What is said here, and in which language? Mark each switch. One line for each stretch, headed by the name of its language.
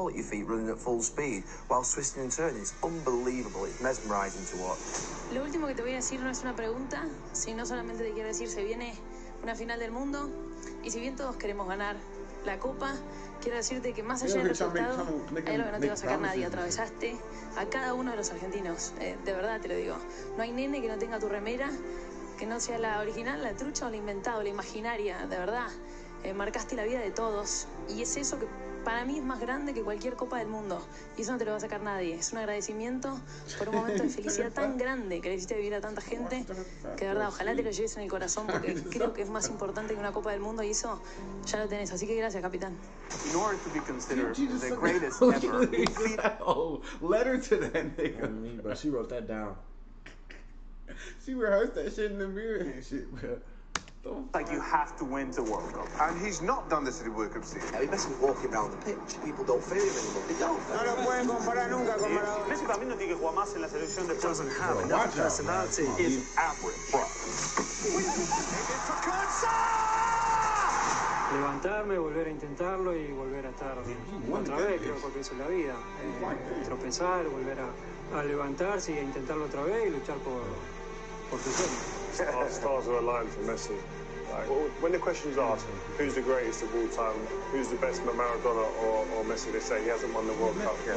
English: Feet running at full speed while twisting and turning. It's unbelievable. It's mesmerizing to watch.
Spanish: Lo último que te voy a decir no es una pregunta, sino solamente te quiero decir, se viene una final del mundo y si bien todos queremos ganar la Copa, quiero decirte que más allá del resultado, es lo que no te va a sacar nadie. Atravesaste a cada uno de los argentinos, de verdad te lo digo. No hay nene que no tenga tu remera, que no sea la original, la trucha o la inventada, la imaginaria, de verdad. Marcaste la vida de todos y es eso que para mí es más grande que cualquier Copa del Mundo. Y eso no te lo va a sacar nadie. Es un agradecimiento por un momento de felicidad tan grande que le hiciste vivir a tanta gente. Que de verdad, ojalá te lo lleves en el corazón, porque creo que es más importante que una Copa del Mundo. Y eso ya lo tenés. Así que gracias, capitán.
English: In order to be considered the greatest ever. Oh, letter to that nigga. I mean, bro, she wrote that down. She rehearsed that shit in the mirror and shit, bro. Like, you have to win the World Cup. And he's not done this in the World Cup season. Now, he mustn't walk him around the pitch. People don't fear him anymore. They don't.
Spanish: No lo pueden comparar nunca con Maradona. Messi también no tiene que jugar más en la selección de
English: Brasil. Doesn't have enough personality. He's average. Bro.
Spanish: Levantarme, volver a intentarlo y volver a estar otra vez, creo, porque eso es la vida. Tropezar, volver a levantarse y a intentarlo otra vez y luchar por tu sueño.
English: Our stars are aligned for Messi. Like, when the question is asked, who's the greatest of all time, who's the best, Maradona or Messi, they say he hasn't won the World Cup yet.